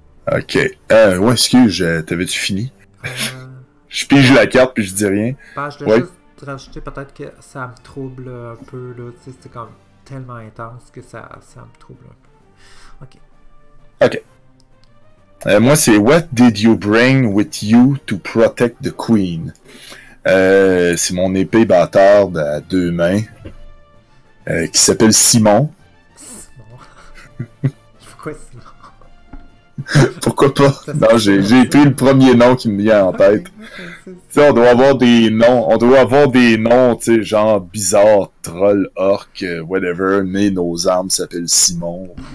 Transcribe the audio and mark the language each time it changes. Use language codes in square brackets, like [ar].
[fr] Ok. Ouais, excuse, t'avais-tu fini? Je pige la carte puis je dis rien. Ben, je voulais juste rajouter peut-être que ça me trouble un peu, là. Tu sais, c'est comme tellement intense que ça me trouble un peu. Ok. Ok. Moi, c'est [en] What did you bring with you to protect the queen? [fr] C'est mon épée bâtarde à deux mains qui s'appelle Simon. Simon? Pourquoi Simon? Pourquoi pas? Non, j'ai pris le premier nom qui me vient en tête. Tu sais, on doit avoir des noms, tu sais, genre bizarre, troll, orc, whatever, mais nos armes s'appellent Simon.